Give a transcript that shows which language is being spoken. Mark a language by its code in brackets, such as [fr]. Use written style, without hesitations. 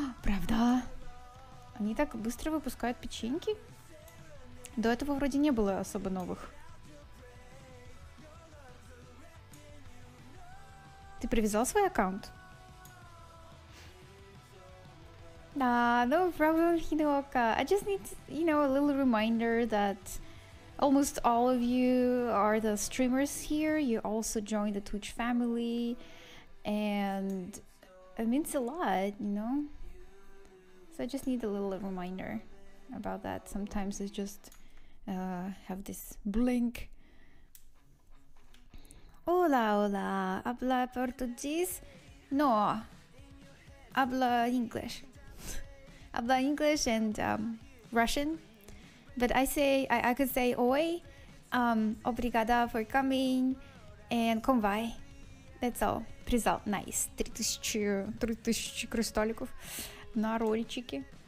[ru] Правда? Они так быстро выпускают печеньки? До этого вроде не было особо новых. Ты привязал свой аккаунт? Да, [en] no problem, Hinooka. I just need, you know, a little reminder that almost all of you are the streamers here. You also join the Twitch family. And it means a lot, you know? So I just need a little reminder about that. Sometimes it's just have this blink. [es] Hola, hola. Habla portugués? No. Habla [en] English. Habla English and Russian. But I could say [pt] oi, obrigada [en] for coming, and konvai. That's all. [ru] Призал. Найс. 3000 кристалликов на рольчики.